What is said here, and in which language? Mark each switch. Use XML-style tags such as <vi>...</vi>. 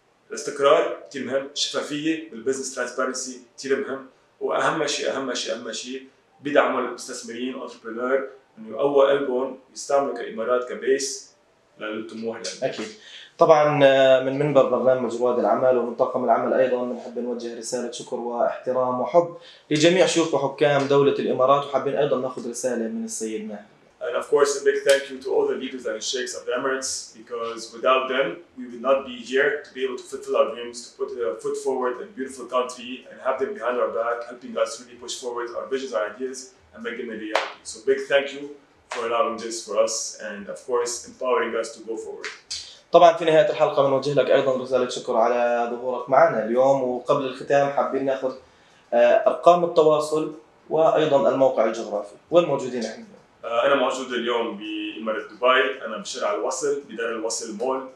<ar>الاستقرار كتير مهم، شفافية بالبزنس ترانسبيرنسي كتير مهم، وأهم شيء أهم شيء أهم شيء بيدعموا المستثمرين أنتربرينور إنه يقوى قلبهم ويستعملوا كإمارات كبيس للطموح لهم. أكيد طبعاً من منبر برنامج رواد العمل ومن طاقم العمل أيضاً نحب نوجه رسالة شكر واحترام وحب لجميع شيوخ وحكام دولة الإمارات، وحابين أيضاً نأخذ رسالة من السيد ماهر.</ar> <en>And of course, a big thank you to all the leaders and sheikhs of the Emirates, because without them, we would not be here to be able to fulfill our dreams, to put a foot forward in a beautiful country and have them behind our back, helping us really push forward our visions, our ideas, and make them a reality. So big thank you for allowing this for us and of course, empowering us to go forward.</en> <ar>طبعاً في نهاية الحلقة بنوجه لك أيضاً رسالة شكر على ظهورك معنا اليوم، وقبل الختام حابين ناخذ أرقام التواصل وأيضاً الموقع الجغرافي. وين موجودين احنا؟ أنا موجود اليوم بإمارة دبي، أنا بشارع الوصل بدار الوصل مول.</ar>